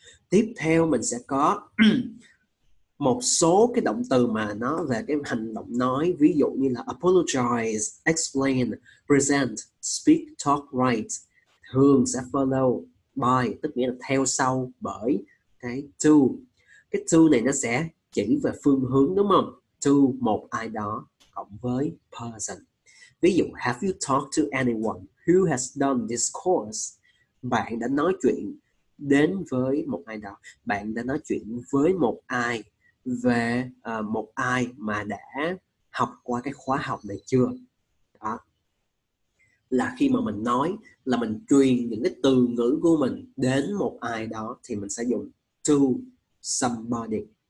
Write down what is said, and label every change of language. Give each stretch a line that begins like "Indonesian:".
Vietnamese: Tiếp theo mình sẽ có một số cái động từ mà nó về cái hành động nói, ví dụ như là apologize, explain, present, speak, talk, write, thường sẽ follow by, tức nghĩa là theo sau bởi cái to. Cái to này nó sẽ chỉ về phương hướng đúng không? To một ai đó cộng với person. Ví dụ,
English: have you talked to anyone who has done this course?
Vietnamese: Bạn đã nói chuyện đến với một ai đó. Bạn đã nói chuyện với một ai về một ai mà đã học qua cái khóa học này chưa? Đó. Là khi mà mình nói, là mình truyền những cái từ ngữ của mình đến một ai đó, thì mình sẽ dùng to somebody.